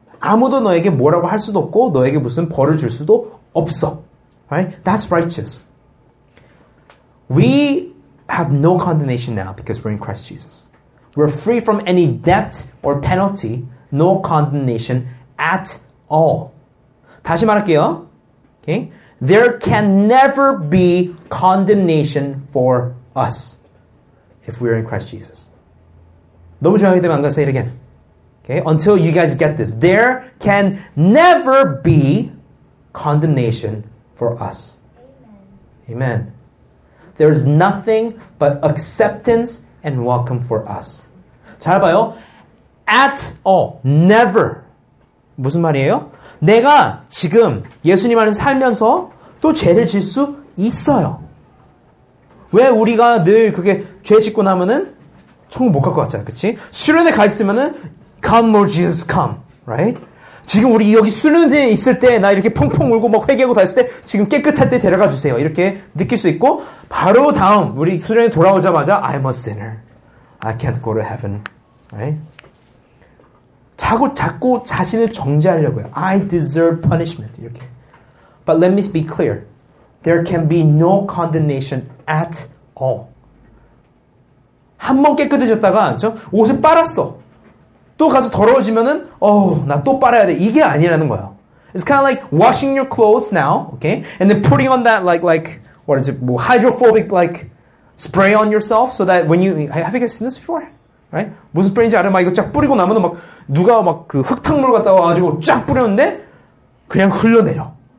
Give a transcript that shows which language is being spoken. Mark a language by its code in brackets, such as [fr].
[ko] 아무도 너에게 뭐라고 할 수도 없고 너에게 무슨 벌을 줄 수도 없어. [en] Right? That's righteous. We have no condemnation now because we're in Christ Jesus. We're free from any debt or penalty. No condemnation at all. [ko] 다시 말할게요. [en] Okay? There can never be condemnation for us if we are in Christ Jesus. [ko] 너무 중요하기 때문에 [en] I'm going to say it again. Okay? Until you guys get this. There can never be condemnation for us. Amen. Amen. There is nothing but acceptance and welcome for us. [ko] 잘 봐요. [en] At all. Never. [ko] 무슨 말이에요? 내가 지금 예수님 안에서 살면서 또 죄를 질 수 있어요. 왜 우리가 늘 그게 죄 짓고 나면은 천국 못 갈 것 같잖아요. 그치? 수련회 가 있으면은 [en] Come Lord Jesus come. Right? [ko] 지금 우리 여기 수련회 있을 때 나 이렇게 펑펑 울고 막 회개하고 다 했을 때 지금 깨끗할 때 데려가 주세요. 이렇게 느낄 수 있고 바로 다음 우리 수련회 돌아오자마자 [en] I'm a sinner. I can't go to heaven. Right? [ko] 자꾸 자신을 정죄하려고요. [en] I deserve punishment. 이렇게. But let me be clear. There can be no condemnation at all. [ko] 한 번 깨끗해졌다가 저 옷을 빨았어. 또 가서 더러워지면은 나 또 빨아야 돼. 이게 아니라는 거예요. [en] It's kind of like washing your clothes now, okay? And then putting on that like what is it? Hydrophobic like spray on yourself so that when you have you guys seen this before? Right? [ko] 무슨 스프레인지 알아? 막 이거 쫙 뿌리고 나면은 막 누가 막 그 흙탕물 갖다 와가지고 쫙 뿌렸는데 그냥 흘러내려.